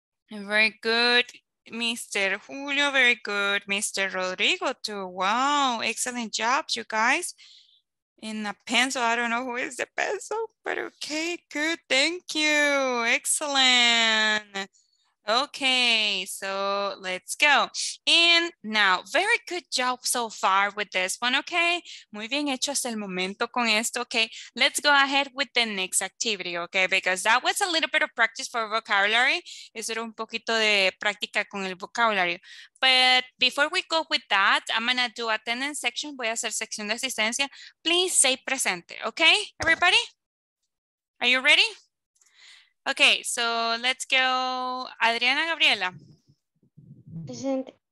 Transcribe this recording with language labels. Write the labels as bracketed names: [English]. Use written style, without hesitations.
[English] Very good, Mr. Julio, very good, Mr. Rodrigo too. Wow, excellent job, you guys. In a pencil, I don't know who is the pencil, but okay, good, thank you, excellent. Okay, so let's go. And now, very good job so far with this one, okay? [Spanish] Muy bien hecho hasta el momento con esto, okay? [English] Let's go ahead with the next activity, okay? Because that was a little bit of practice for vocabulary. [Spanish] Eso era un poquito de práctica con el vocabulario. [English] But before we go with that, I'm gonna do attendance section. [Spanish] Voy a hacer sección de asistencia. [English] Please say presente, okay, everybody? Are you ready? Okay, so let's go. Adriana Gabriela. [Spanish] Presente.